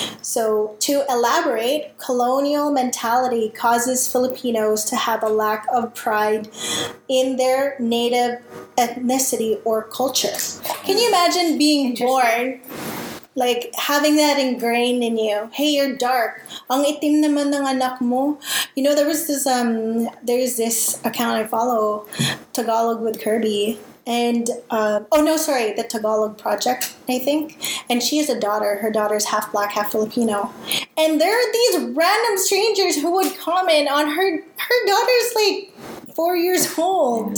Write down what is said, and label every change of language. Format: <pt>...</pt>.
<en>So to elaborate, colonial mentality causes Filipinos to have a lack of pride in their native ethnicity or culture. Can you imagine being born, like having that ingrained in you? Hey, you're dark.</en> <tl>Ang itim naman ng anak mo.</tl> <en>You know, there's this account I follow, Tagalog with Kirby, and the Tagalog Project, I think. And she has a daughter. Her daughter's half black, half Filipino. And there are these random strangers who would comment on her daughter's like 4 years old.</en>